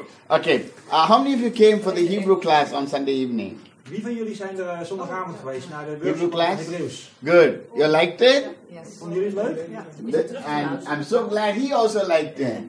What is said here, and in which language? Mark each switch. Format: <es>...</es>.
<en>Okay. How many of you came for the Hebrew class on Sunday evening?</en> <nl>Wie van jullie zijn er zondagavond geweest naar de</nl> <en>Hebrew class? Good. You liked it? Yes.</en> <nl>Vonden jullie het leuk? Ja.</nl> <en>And I'm so glad he also liked it.</en>